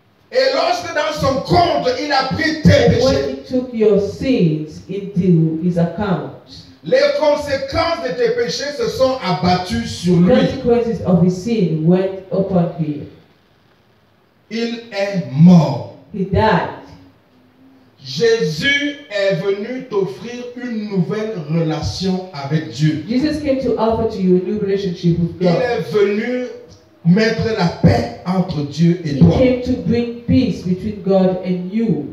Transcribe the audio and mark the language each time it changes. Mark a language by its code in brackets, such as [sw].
[fr] Et lorsque dans son compte il a pris tes péchés, [en] when he took your sins into his account, [fr] les conséquences de tes péchés se sont abattues sur [en] the [fr] lui. [en] Consequences of his sin went upon him. [fr] Il est mort. [en] He died. [fr] Jésus est venu t'offrir une nouvelle relation avec Dieu. [en] Jesus came to offer to you a new relationship with God. [fr] Il est venu mettre la paix entre Dieu et toi. [en] He came to bring peace between God and you.